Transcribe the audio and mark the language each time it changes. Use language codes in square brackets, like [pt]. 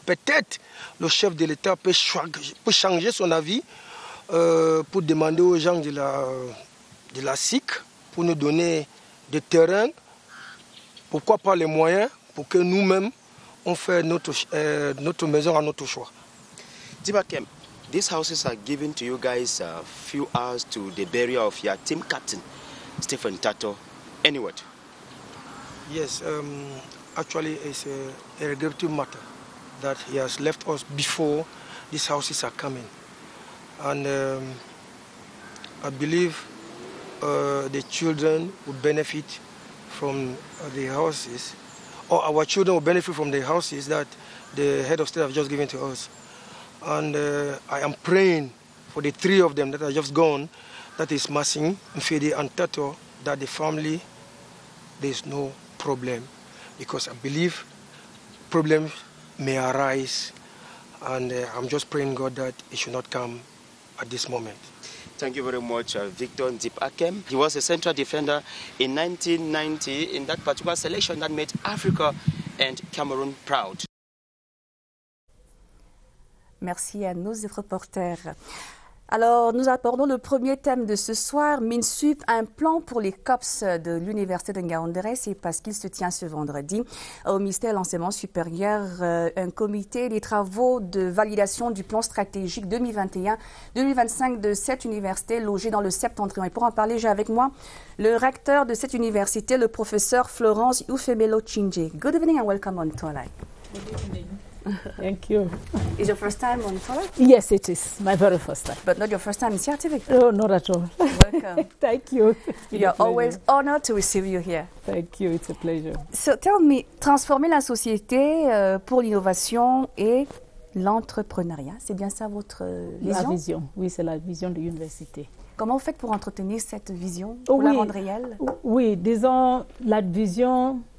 [fr] Peut-être le chef de l'État peut changer son avis pour demander aux gens de la SIC pour nous donner des terrains. Pourquoi pas les moyens pour que nous-mêmes, on fait notre maison à notre choix. [en] Dibakem, these houses are given to you guys a few hours to the burial of your team captain, Stephen Tatto. Anyway. Yes, actually it's a regrettable matter that he has left us before these houses are coming. And I believe the children will benefit from the houses, or our children will benefit from the houses that the head of state have just given to us. And I am praying for the three of them that are just gone, that is Massing, Mfidi and Tato, that the family, there is no problem. Because I believe problems may arise, and I'm just praying God that it should not come at this moment. Thank you very much, Victor Ndipakem. He was a central defender in 1990 in that particular selection that made Africa and Cameroon proud. [fr] Merci à nos reporters. Alors, nous abordons le premier thème de ce soir, MINSUP, un plan pour les COPS de l'Université de Ngaoundéré. C'est parce qu'il se tient ce vendredi au ministère de l'Enseignement supérieur, un comité des travaux de validation du plan stratégique 2021-2025 de cette université logée dans le septentrion. Et pour en parler, j'ai avec moi le recteur de cette université, le professeur Florence Ufemelo Chinje. [en] Good evening and welcome on Twilight. Thank you. Is your first time on Twilight? Yes, it is. My very first time. But not your first time in CRTV? No, not at all. Welcome. Thank you. You are always honored to receive you here. Thank you. It's a pleasure. So tell me, [fr] transformer la société pour l'innovation et l'entrepreneuriat, c'est bien ça votre vision? La vision, oui, c'est la vision de l'université. Comment vous faites pour entretenir cette vision, pour la rendre réelle? Oui, disons, la vision...